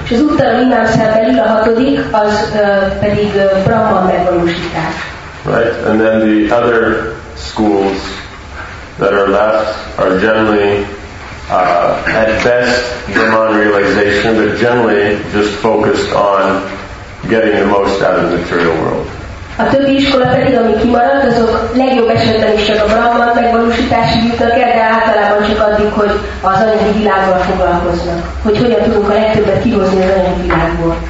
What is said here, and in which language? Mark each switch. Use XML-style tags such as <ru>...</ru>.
<hu>És az Uttara Mimamsa belül a hatodik, az pedig Brahman megvalósítás.</hu> <en>Right. And then the other schools that are left are generally at best Brahman realization, but generally just focused on getting the most out of the material world.</en> <hu>A többi iskola pedig, ami kimaradt, azok legjobb esetben is csak a Brahman megvalósítási útnak el, de általában csak addig, hogy az anyagi világgal foglalkoznak. Hogy hogyan tudunk a legtöbbet kihozni az anyagi világból.</hu>